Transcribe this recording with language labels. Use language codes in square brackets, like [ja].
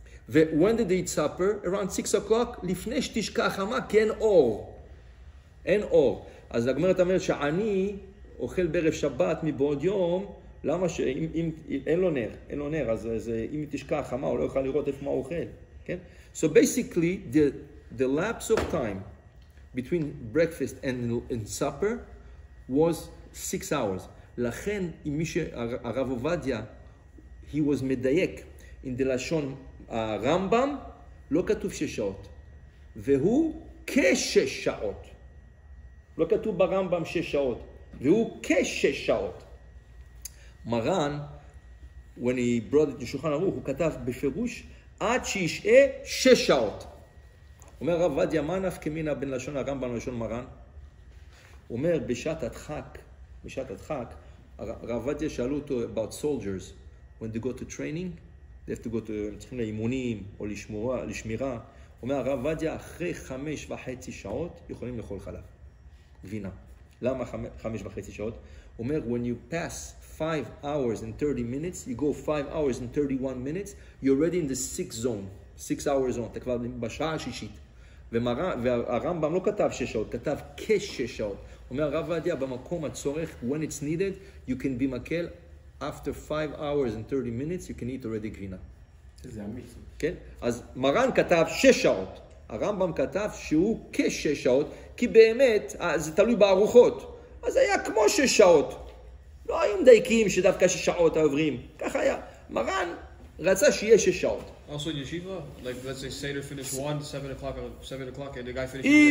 [en] When did they eat supper? Around 6 o'clock, [he] לפני שתשכח חמה, כי אין אור. אין אור. אז הגמרא אומרת שאני אוכל בערב שבת מבעוד יום, למה שאם אין לו נר, אין לו נר, אז אם תשכח חמה, הוא לא יוכל לראות איפה מה הוא אוכל. כן? [en] So basically, the lapse of time between breakfast and supper was 6 hours. [he] לכן, אם מי שהרב עובדיה, [en] he was [he] מדייק in the לשון, הרמב״ם לא כתוב 6 שעות, והוא כ6 שעות. לא כתוב ברמב״ם 6 שעות, והוא כ6 שעות. מרן, [en] when he brought it to [he] שולחן ערוך, הוא כתב בפירוש, עד שישאה 6 שעות. אומר רב עובדיה, מה נפקא מינה בין לשון הרמב״ם ללשון מרן? הוא אומר, בשעת הדחק, רב עובדיה שאלו אותו [en] about soldiers, when they go to [he] training, they have to go to, הם צריכים לאימונים או לשמירה. אומר הרב עובדיה, אחרי 5.5 שעות יכולים לאכול חלב. גבינה. למה 5.5 שעות? [en] אומר, when you pass 5 hours and 30 minutes, you go 5 hours and 31 minutes, you're ready in the 6th zone. 6 hour zone. [he] אתה כבר בשעה השישית. והרמב״ם לא כתב 6 שעות, כתב כ6 שעות. אומר הרב עובדיה, במקום הצורך, [en] when it's needed, you can be [he] מקל. [en] After 5 hours and 30 minutes, you can eat already גבינה. [he] זה אמיתי. כן? אז מרן כתב 6 שעות. הרמב״ם כתב שהוא כ6 שעות, כי באמת, זה תלוי בארוחות. אז היה כמו 6 שעות. לא היו מדייקים שדווקא 6 שעות עוברים. ככה היה. מרן רצה שיהיה 6 שעות. [en] Also in yeshiva? Like, let's say, Seder finish 1, 7 o'clock, and the guy finish...